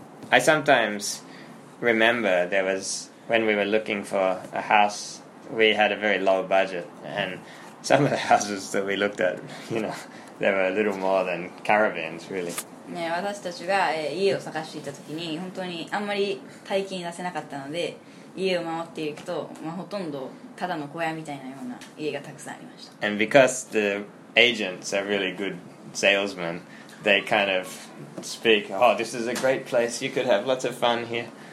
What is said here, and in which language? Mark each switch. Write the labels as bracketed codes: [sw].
[en] I sometimes remember there was when we were looking for a house. We had a very low budget, and some of the houses that we looked at, you know, they were a little more than caravans, really. [ja] Yeah, 私たちが家を探していた時に本当にあんまり大金出せなかったので家を回っていくと、まあ、ほとんどただの小屋みたいなような家がたくさんありました。 [en] And because the agents are really good salesmen, they kind of speak, oh, this is a great place, you could have lots of fun here.